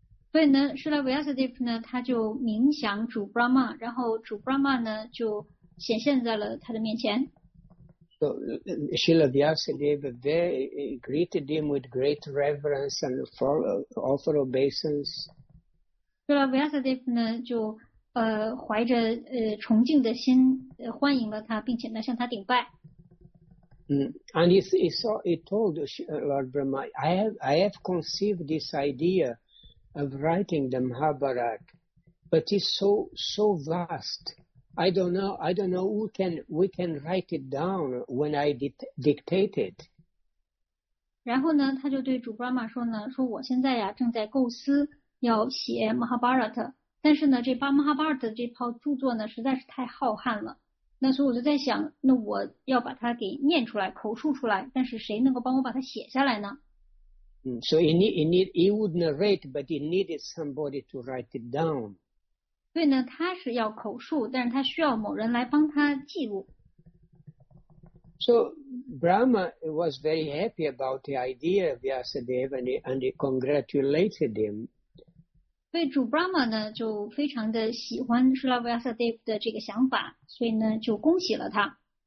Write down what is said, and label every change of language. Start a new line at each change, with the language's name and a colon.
Chinese: 所以呢，舍拉维亚萨德夫呢，他就冥想主 Brahma， 然后主 Brahma 呢就显现在了他的面前。
English: So Śrīla Vyāsadeva greeted him with great reverence and offered obeisance.
Chinese: 舍拉维亚萨德夫呢就怀着崇敬的心欢迎了他，并且呢向他顶拜。
English: And he told Lord Brahma, I have conceived this idea of writing the Mahābhārata, but it's so vast. I don't know we can write it down when I dictate it.
Chinese: 然后呢，他就对主 Brahma 说呢，说我现在呀正在构思要写 Mahābhārata， 但是呢，这把 Mahābhārata 这套著作呢实在是太浩瀚了。那所以我就在想，那我要把它给念出来，口述出来，但是谁能够帮我把它写下来呢？
English: So he would narrate, but he needed somebody to write it down.
Chinese: 对呢，他是要口述，但是他需要某人来帮他记录。
English: So Brahma was very happy about the idea of Vyasadeva and he congratulated him.
Chinese: 对主 Brahma 呢就非常的喜欢 Śrīla Vyāsadeva 的这个想法，所以呢就恭喜了他。